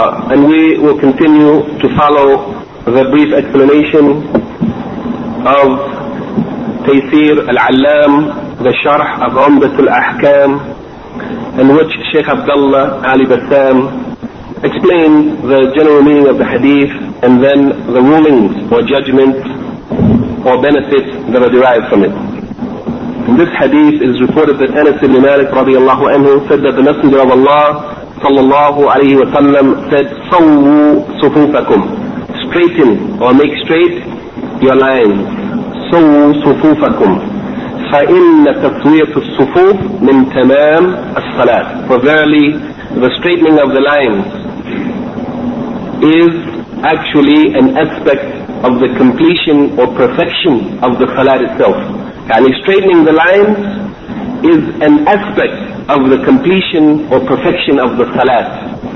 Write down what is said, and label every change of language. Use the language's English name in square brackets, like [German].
[English] And we will continue to follow the brief explanation of Taysir Al-Allam, the Sharh of Umdat Al-Ahkam, in which Shaykh Abdullah Ali Bassam explained the general meaning of the hadith and then the rulings or judgments or benefits that are derived from it. In this hadith is reported that Anas ibn Malik radiallahu anhu said that the Messenger of Allah sallallahu alayhi wa sallam said, [Arabic] "Sawu sufufakum." [English] Straighten or make straight your lines. [Arabic] سووا صفوفكم فإن تسوية الصفوف من تمام الصلاة. [English] For verily, the straightening of the lines is actually an aspect of the completion or perfection of the salat itself. And straightening the lines is an aspect of the completion or perfection of the salat.